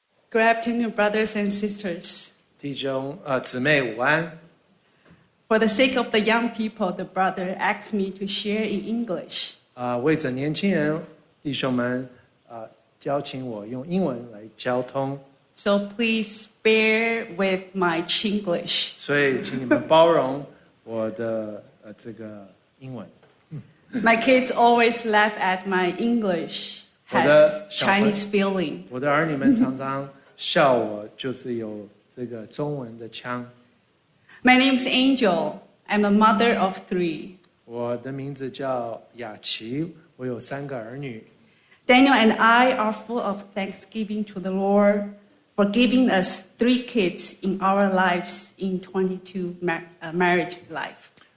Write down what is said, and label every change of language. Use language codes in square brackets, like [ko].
[en] Good afternoon, brothers and sisters. [zh] 弟兄姊妹，午安。 [en] For the sake of the young people, the brother asked me to share in English. [zh] 为着年轻人，弟兄们邀请我用英文来交通。 [en] So please bear with my Chinglish. [zh] 所以请你们包容我的这个英文。 [en] My kids always laugh at my English has Chinese feeling. [zh] 我的儿女们常常 笑我就是有这个中文的腔。 [en] My name is Angel. I'm a mother of three. [zh] 我的名字叫雅琪，我有三个儿女。 [en] Daniel and I are full of thanksgiving to the Lord for giving us three kids in our lives in 22 marriage life.